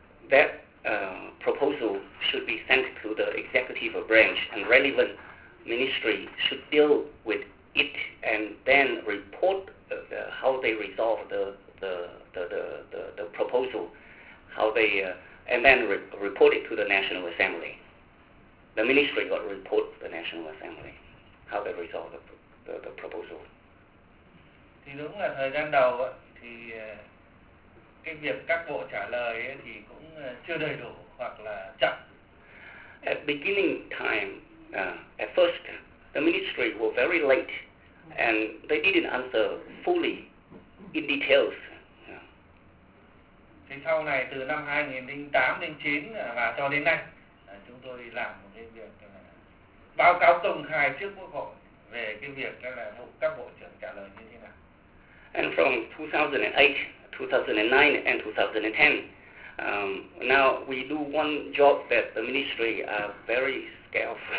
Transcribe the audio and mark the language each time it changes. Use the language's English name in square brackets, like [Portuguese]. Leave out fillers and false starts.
[English] that proposal should be sent to the executive branch and relevant ministry should deal with it and then report how they resolve the proposal, how they and then report it to the National Assembly. The ministry got to report to the National Assembly how they resolve the proposal. [Vietnamese] Thì đúng là thời gian đầu á, thì cái việc các bộ trả lời ấy thì cũng chưa đầy đủ hoặc là chậm. [English] At beginning time, at first, the ministry were very late and they didn't answer fully in details. [Vietnamese] Thì sau này từ năm 2008 đến 9 và cho đến nay, chúng tôi làm một cái việc báo cáo công khai trước quốc hội về cái việc đó là các bộ trưởng trả lời như thế nào. [English] And from 2008, 2009 and 2010, now we do one job that the ministry are very scared of.